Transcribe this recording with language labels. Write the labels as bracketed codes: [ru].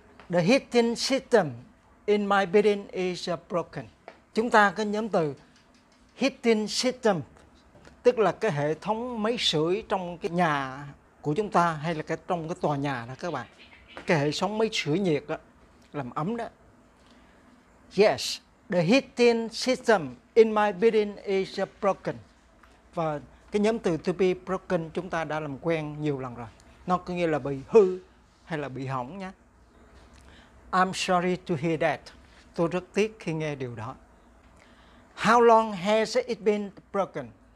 [en] The heating system in my building is broken. [vi] Chúng ta có nhóm từ heating system, tức là cái hệ thống máy sưởi trong cái nhà của chúng ta hay là cái trong cái tòa nhà đó các bạn. Cái hệ thống máy sưởi nhiệt đó, làm ấm đó. [en] Yes, the heating system in my building is broken. [vi] Và cái nhóm từ [en] to be broken [vi] chúng ta đã làm quen nhiều lần rồi. Nó có nghĩa là bị hư hay là bị hỏng nhé. [en] I'm sorry to hear that. [vi] Tôi rất tiếc khi nghe điều đó. [en] How long has it been broken?